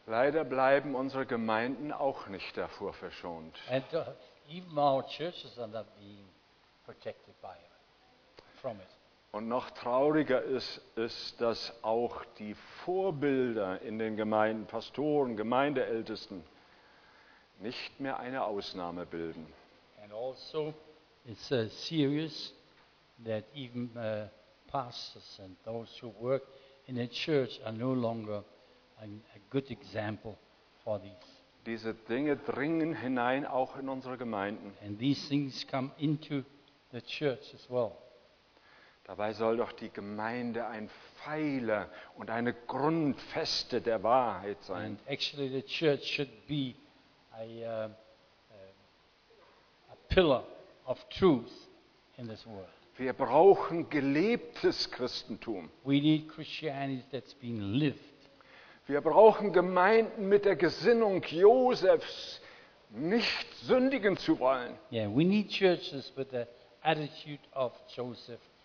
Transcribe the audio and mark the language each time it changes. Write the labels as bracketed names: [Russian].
[German] Leider bleiben unsere Gemeinden auch nicht davor verschont. [English] And even our churches are not being protected by from it. [German] Und noch trauriger ist, dass auch die Vorbilder in den Gemeinden, Pastoren, Gemeindeältesten, nicht mehr eine Ausnahme bilden. [English] And also, it's serious that even pastors and those who work in the church are no longer a good example for these. [German] Diese Dinge dringen hinein auch in unsere Gemeinden. [English] And these things come into the church as well. [German] Dabei soll doch die Gemeinde ein Pfeiler und eine Grundfeste der Wahrheit sein. [English] And actually the church should be a pillar of truth in this world. [German] Wir brauchen gelebtes Christentum. [English] We need Christianity that's been lived. [German] Wir brauchen Gemeinden mit der Gesinnung Josefs, nicht sündigen zu wollen. [English] Yeah, we need churches with the attitude of Joseph.